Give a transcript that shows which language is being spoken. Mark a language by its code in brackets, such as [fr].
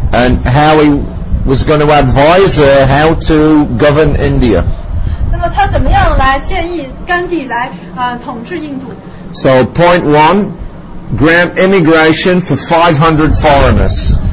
[en] And how he was going to advise her how to govern India. [zh] 那么他怎么样来建议甘地来统治印度。 [en] So point one, grant immigration for 500 foreigners.